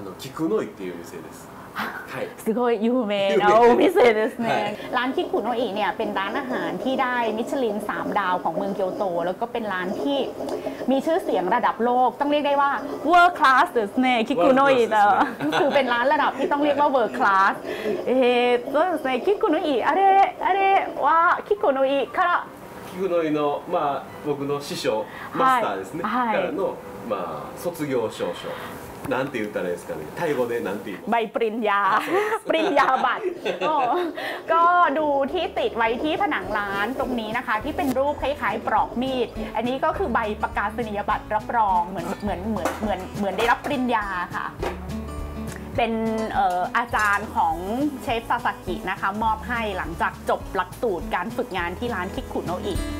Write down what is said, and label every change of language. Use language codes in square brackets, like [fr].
[ja] 菊の井っていう店です。はい、すごい有名なお店ですね。 [th] ร้านที่คุณโอเอเนี่ยเป็นร้านอาหารที่ได้มิชลิน3ดาวของเมืองเกียวโตแล้วก็เป็นร้านที่มีชื่อเสียงระดับโลกต้องเรียกได้ว่า world class [ja] ですね。 [th] คิคุโนอิเนี่ยคือเป็นร้านระดับที่ต้องเรียกว่า world class [ja] そうですね。 คิคุโนอิあれあれはคิคุโนอิから คิคุโนอิのまあ僕の師匠マスターですね。はい。からのまあ卒業証書なんて言ったらいいですかね。タイ語でなんて言います。 [th] ใบปริญญาปริญญาบัตรก็ดูที่ติดไว้ที่ผนังร้านตรงนี้นะคะที่เป็นรูปคล้ายๆปลอกมีดอันนี้ก็คือใบประกาศนียบัตรรับรองเหมือนได้รับปริญญาค่ะเป็นอาจารย์ของเชฟซาสกินะคะมอบให้หลังจากจบหลักสูตรการฝึกงานที่ร้านคิคุโนอิ